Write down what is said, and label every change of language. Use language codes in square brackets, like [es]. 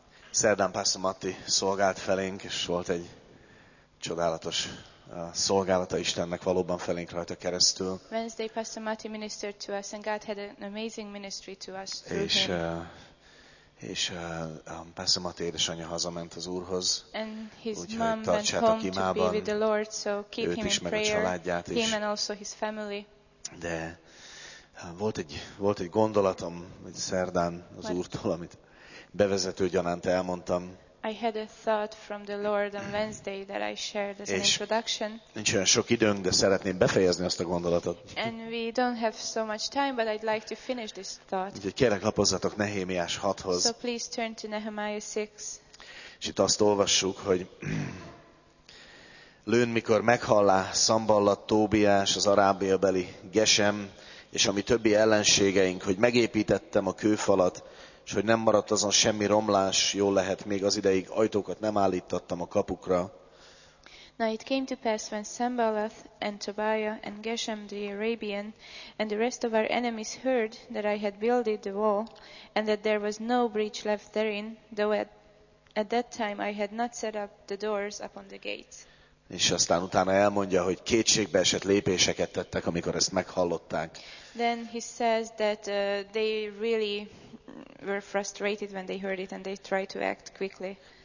[hu] Szerdán Pásztor Matti szolgált felénk, és volt egy csodálatos szolgálata Istennek valóban felénk rajta keresztül. [en] Wednesday Pastor Matti ministered to us and God had an amazing ministry to us. [hu] És Pastor Matti édesanyja hazament az Úrhoz. [en] And his mom went home to be with the Lord, so keep him in prayer. Him and also his family. [hu] De volt egy gondolatom egy szerdán az Úrtól, amit bevezető gyanánt elmondtam. [en] I had a thought from the Lord on Wednesday that I shared as an introduction. [hu] Nincs olyan sok időnk, de szeretném befejezni azt a gondolatot. [en] And we don't have so much time, but I'd like to finish this thought. [hu] Úgyhogy kérlek, lapozzatok Nehémiás 6-hoz. [en] So please turn to Nehemiah 6. [hu] És itt azt olvassuk, hogy lőn, mikor meghallá Szamballat, Tóbiás, az arábiabeli Gesem, és a mi többi ellenségeink, hogy megépítettem a kőfalat, és hogy nem maradt azon semmi romlás, jól lehet, még az ideig ajtókat nem állítottam a kapukra. [en] Now it came to pass when Sambalath and Tobiah and Geshem the Arabian and the rest of our enemies heard that I had builded the wall and that there was no breach left therein, though at that time I had not set up the doors upon the gates. [hu] És aztán utána elmondja, hogy kétségbe esett lépéseket tettek, amikor ezt meghallották. [en] Then he says that they really were frustrated when they heard it and they tried to act quickly.